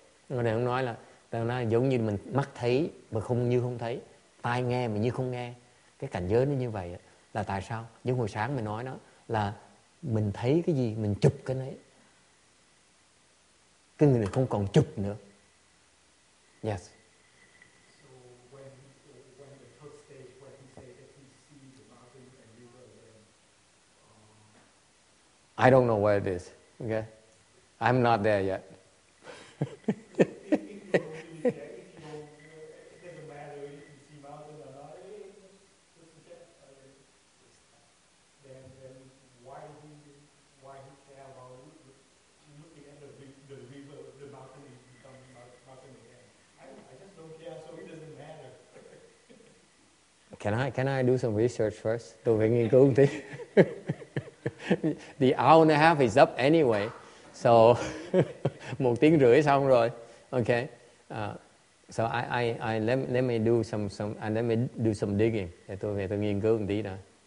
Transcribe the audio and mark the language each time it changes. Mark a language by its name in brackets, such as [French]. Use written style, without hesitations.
[Vietnamese] Người này nói là, tao nói giống như mình mắt thấy mà không như không thấy. Tai nghe mà như không nghe. Cái cảnh giới nó như vậy là tại sao? Giống hồi sáng mình nói đó là mình thấy cái gì, mình chụp cái đấy. Cái người này không còn chụp nữa. [English] Yes. So when the third stage, when he said that he sees the mountain and river, then I don't know where it is. Okay, I'm not there yet. It doesn't matter if you see mountain or not. Just forget about it. Then why he care about Can I do some research first? Do we need to go there? The hour and a half is up anyway. [Vietnamese] So, một tiếng rưỡi xong rồi. Okay. [English] So I let me do some digging. [Vietnamese] Tôi về tôi nghiên cứu một tí đã.